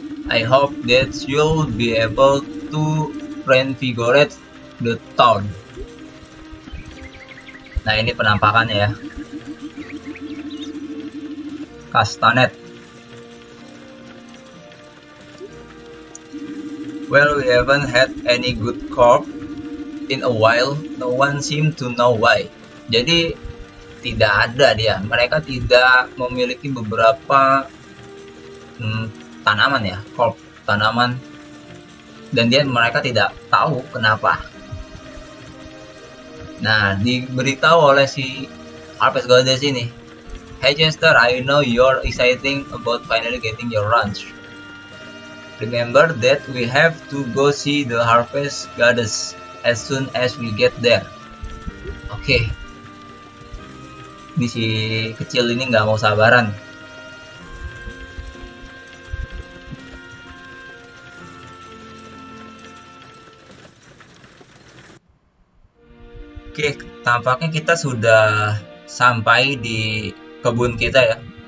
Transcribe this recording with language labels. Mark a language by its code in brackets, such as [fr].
[en] I hope that you'll be able to reinvigorate the town. [id] Nah, ini penampakannya ya. Castanet. [en] Well, we haven't had any good crop in a while. No one seem to know why. [id] Jadi tidak ada dia. Mereka tidak memiliki beberapa tanaman ya, crop, tanaman. Dan dia mereka tidak tahu kenapa. Nah, diberitahu oleh si Harvest Goddess ini. [en] Hey Chester, I know you're excited about finally getting your ranch. Remember that we have to go see the Harvest Goddess as soon as we get there. [id] Oke. Ini si kecil ini gak mau sabaran. Oke, tampaknya kita sudah sampai di kebun kita ya.